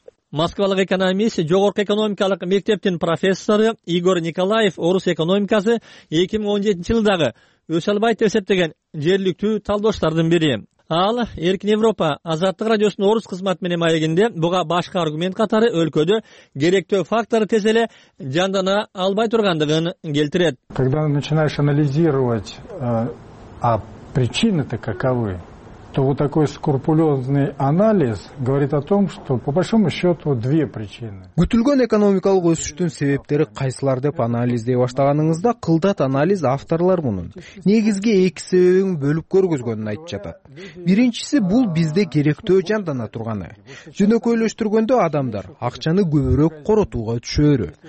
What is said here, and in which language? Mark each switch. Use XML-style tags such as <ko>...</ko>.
<ky>Москвалык экономист, жогорку экономикалык мектептин профессору Игорь Николаев орус экономикасы 2017 жылдагы өсө албайт деп эсептеген жерликтүү талдоочтордун бири. Ал Эркин Европа Азаттык радиосунун орус кызматы менен маегинде буга башка аргумент катары өлкөдө керектөө фактору тез эле жандана албай тургандыгын келтирет.</ky> <ru>Когда начинаешь анализировать, а причины-то каковы, то вот такой скрупулезный анализ говорит о том, что по большому счету две причины.</ru> <ky>Күтүлгөн экономикалык өсүштүн себептери кайсылар деп анализдей баштаганыңызда кылдат анализ авторлар мунун негизги эки себебин бөлүп көргөзгөнүн айтып жатат. Биринчиси, бул бизде керектөө жандана турганы. Жөнөкөйлөштүргөндө адамдар акчаны көбүрөөк коротууга түшөрү.</ky>